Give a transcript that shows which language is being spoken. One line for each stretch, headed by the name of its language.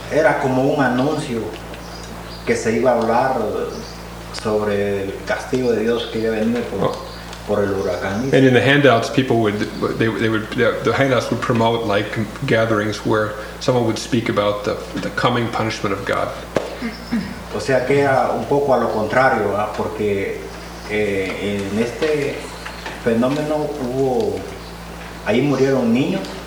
Spanish: era como un anuncio que se iba a hablar sobre el castigo de Dios que iba a venir por, por el huracán.
English: And in the handouts, people would the handouts would promote like gatherings where someone would speak about the coming punishment of God.
Spanish: O sea que era un poco a lo contrario, ¿verdad? Porque en este fenómeno hubo ahí murieron niños.